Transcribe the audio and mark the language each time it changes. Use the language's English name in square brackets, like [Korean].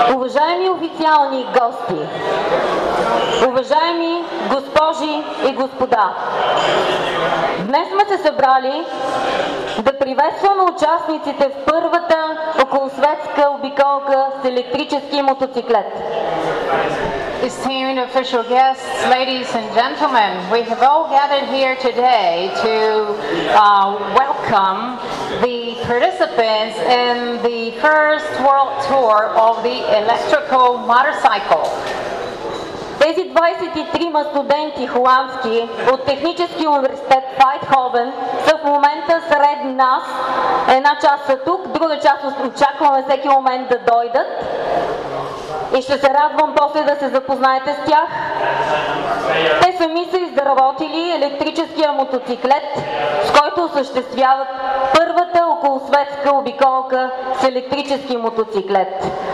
[Bulgarian] Уважаеми официални гости, уважаеми госпожи и господа, днес сме се събрали да приветстваме участниците в първата околосветска обиколка с електрически мотоциклет. [English] Esteemed official guests, ladies and gentlemen, we have all gathered here today to welcome the participants in the first world tour of the electrical motorcycle. [Bulgarian] Тези 23-ма студенти холандски от Техническия университет в Айтховен са в момента сред нас. Една част са тук, друга част очакваме всеки момент да дойдат. И ще се радвам после да се запознаете с тях. Те сами са изработили електрическия мотоциклет, с който осъществяват първата околосветска обиколка с електрически мотоциклет.